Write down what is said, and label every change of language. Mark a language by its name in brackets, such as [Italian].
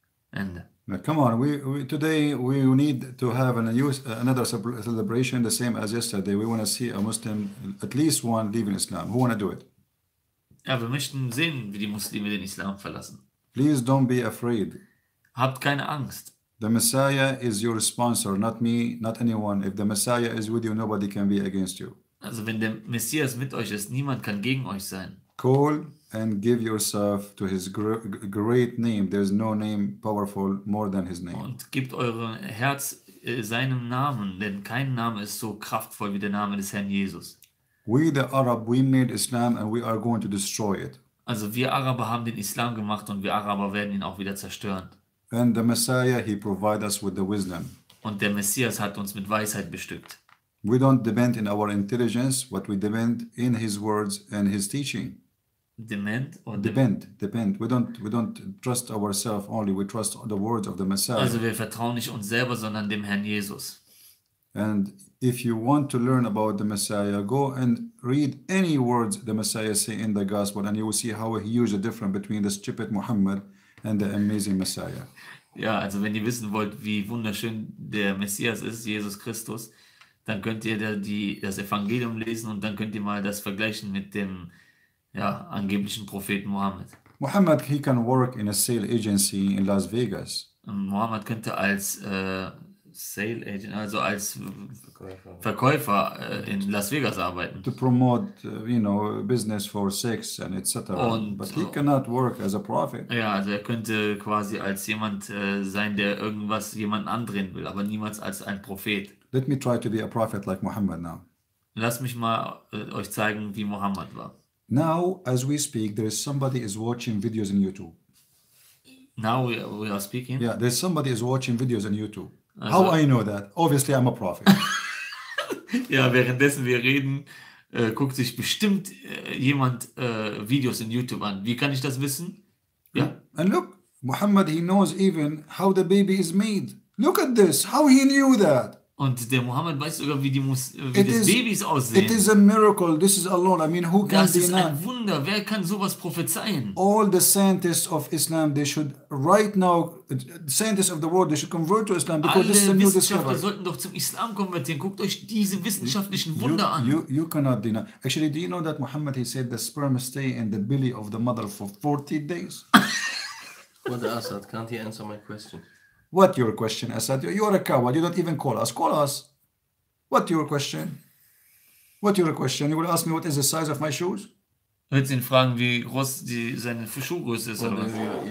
[German] Ende. [English] Now come on, today we need to have another celebration the same as yesterday. We want to see a Muslim, at least one, leaving Islam. Who want to do it? [German] Ja, wir möchten sehen, wie die Muslime den Islam verlassen. [English] Please don't be afraid. [German] Habt keine Angst. [English] The Messiah is your sponsor, not me, not anyone. If the Messiah is with you, nobody can be against you. [German] Also wenn der Messias mit euch ist, niemand kann gegen euch sein. [English] Call and give yourself to his great name. There is no name powerful more than his name. [German] Und gebt eure Herz seinem Namen, denn kein Name ist so kraftvoll wie der Name des Herrn Jesus. [English] We the Arab, we made Islam and we are going to destroy it. [German] Also wir Araber haben den Islam gemacht und wir Araber werden ihn auch wieder zerstören. [English] And the Messiah, he provide us with the wisdom. [German] Und der Messias hat uns mit Weisheit bestückt. [English] We don't depend in our intelligence, but we depend in his words and his teaching. Depend. We don't trust ourselves only, we trust the words of the Messiah. [German] Also wir vertrauen nicht uns selber, sondern dem Herrn Jesus. [English] And if you want to learn about the Messiah, go and read any words the Messiah say in the gospel and you will see how huge the difference between the stupid Muhammad and the amazing Messiah. [German] Ja, also wenn ihr wissen wollt, wie wunderschön der Messias ist, Jesus Christus, dann könnt ihr das Evangelium lesen und dann könnt ihr mal das vergleichen mit dem angeblichen Propheten Mohammed. [English] Mohammed, he can work in a sale agency in Las Vegas. [German] Mohammed könnte als Sale Agent, also als Verkäufer in Las Vegas arbeiten. [English] To promote, business for sex and etc. But he cannot work as a prophet. [German] Ja, also er könnte quasi als jemand sein, der irgendwas jemanden andrehen will, aber niemals als ein Prophet. [English] Let me try to be a prophet like Muhammad now. [German] Lass mich mal euch zeigen, wie Muhammad war. [English] Now, as we speak, there is somebody is watching videos on YouTube. Now we are speaking? Yeah, there is somebody is watching videos on YouTube. Also, how I know that? Obviously, I'm a prophet. [German] Ja, währenddessen wir reden, guckt sich bestimmt jemand Videos in YouTube an. Wie kann ich das wissen? Ja. [English] And look, Muhammad, he knows even how the baby is made. Look at this, how he knew that. [German] Und der Muhammad weiß sogar, wie das Babys aussehen. [English] It is a miracle. This is alone. I mean, who can deny? [German] Das ist ein Wunder. Wer kann sowas prophezeien? [English] All the scientists of Islam, they should right now, scientists of the world, they should convert to Islam because [German] alle [English] this is a new discovery. [German] Alle Wissenschaftler sollten doch zum Islam konvertieren. Guckt euch diese wissenschaftlichen Wunder an. [English] You cannot deny. Actually, do you know that Muhammad, he said the sperm stay in the belly of the mother for 40 days? What, Assad? Can't he answer my question? What your question, Assad? You are a coward. You don't even call us. Call us. What your question? What your question? You will ask me what is the size of my shoes? [German] Du willst ihn fragen, wie groß die, seine Schuhgröße ist, oder was?